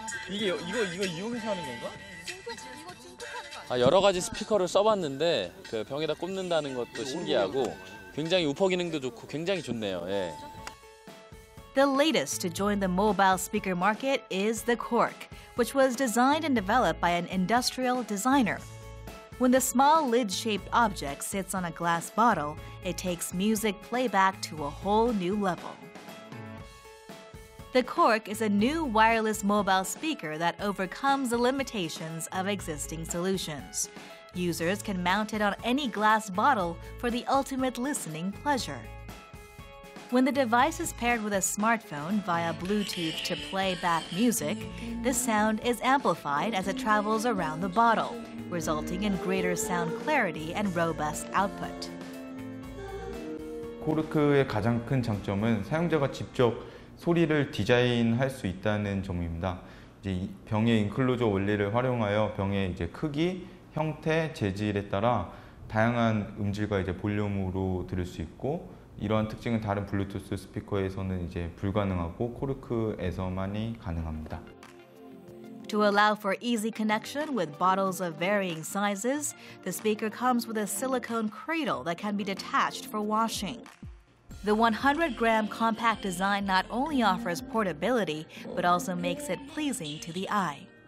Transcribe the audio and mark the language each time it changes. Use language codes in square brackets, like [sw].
[ko] 이게 이거 이용해서 하는 건가? 아 여러 가지 스피커를 써봤는데 그 병에다 꽂는다는 것도 신기하고 굉장히 우퍼 기능도 좋고 굉장히 좋네요. 예. [en] The latest to join the mobile speaker market is the Cork, which was designed and developed by an industrial designer. When the small lid-shaped object sits on a glass bottle, it takes music playback to a whole new level. The Cork is a new wireless mobile speaker that overcomes the limitations of existing solutions. Users can mount it on any glass bottle for the ultimate listening pleasure. When the device is paired with a smartphone via Bluetooth to play back music, the sound is amplified as it travels around the bottle, resulting in greater sound clarity and robust output. [ko] 코르크의 가장 큰 장점은 사용자가 직접 소리를 디자인할 수 있다는 점입니다. 이제 병의 인클로저 원리를 활용하여 병의 이제 크기, 형태, 재질에 따라 다양한 음질과 이제 볼륨으로 들을 수 있고, 이러한 특징은 다른 블루투스 스피커에서는 이제 불가능하고 코르크에서만이 가능합니다. [en] To allow for easy connection with bottles of varying sizes, the speaker comes with a silicone cradle that can be detached for washing. The 100-gram compact design not only offers portability, but also makes it pleasing to the eye.